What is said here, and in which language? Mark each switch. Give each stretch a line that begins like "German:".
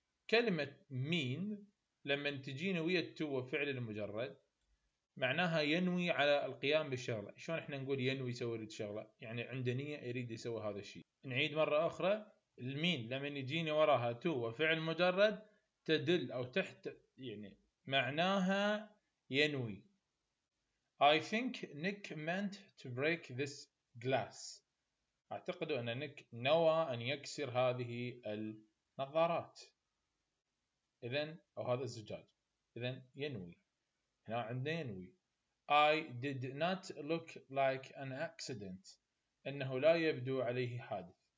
Arabic: كلمة mean لما تجيني ويا تو فعل المجرد معناها ينوي على القيام بالشغلة. شلون احنا نقول ينوي يسوي الشغلة؟ يعني عنده نية يريد يسوي هذا الشيء. نعيد مرة أخرى. mean لما يجيني وراها تو فعل مجرد تدل أو تحت يعني معناها ينوي.
English: I think Nick meant to break this glass.
Arabic: أعتقد أن نيك نوى أن يكسر هذه النظارات. إذن أو هذا الزجاج. إذن ينوي. هنا عندنا ينوي.
English: I did not look like an accident.
Arabic: إنه لا يبدو عليه حادث.